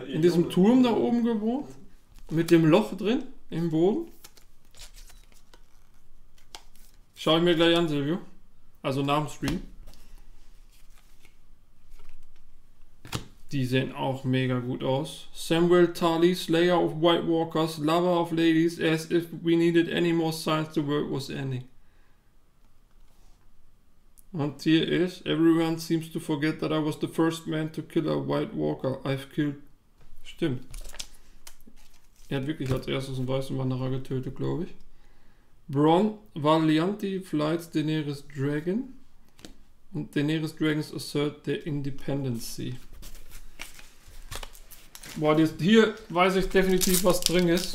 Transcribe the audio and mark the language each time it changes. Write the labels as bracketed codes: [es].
[de] in diesem Turm da oben gewohnt. Mit dem Loch drin im Boden. Schau ich mir gleich an, Silvio. Also nach dem Stream. Die sehen auch mega gut aus. [en] Samuel Tully, Slayer of White Walkers, Lover of Ladies, as if we needed any more signs the world was ending. [de] Und hier ist, [en] everyone seems to forget that I was the first man to kill a White Walker. I've killed... [de] Stimmt. Er hat wirklich als erstes einen weißen Wanderer getötet, glaube ich. Bronn, Valianti, Flights, Daenerys Dragon. Und [en] Daenerys Dragons assert their independency. [de] Boah, das, hier weiß ich definitiv, was drin ist.